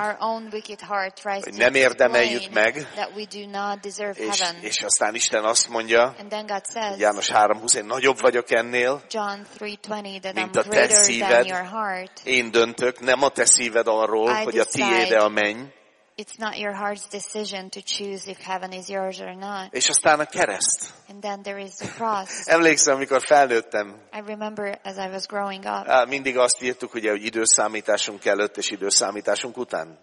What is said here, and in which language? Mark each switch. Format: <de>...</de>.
<en>our own wicked heart tries</en> <hu>hogy nem érdemeljük meg,</hu> <en>that we do not deserve heaven.</en> <hu>És aztán Isten azt mondja,</hu> <en>and then God says,</en> <hu>János 3:20, én nagyobb vagyok ennél,</hu> <en>John 3:20, that</en> <hu>mint</hu> <en>I'm</en> <hu>a te szíved,</hu> <en>your heart.</en> <hu>Én döntök, nem a te szíved arról,</hu> <en>I</en> <hu>hogy a tiéde a menny.</hu> <en>It's not your heart's decision to choose if heaven is yours or not.</en> <hu>És aztán a kereszt.</hu> <en>And then there is the cross.</en> <hu>Emlékszem, amikor felnőttem.</hu> <en>I remember as I was growing up.</en> <hu>Mindig azt írtuk, ugye, hogy időszámításunk előtt és időszámításunk után.</hu>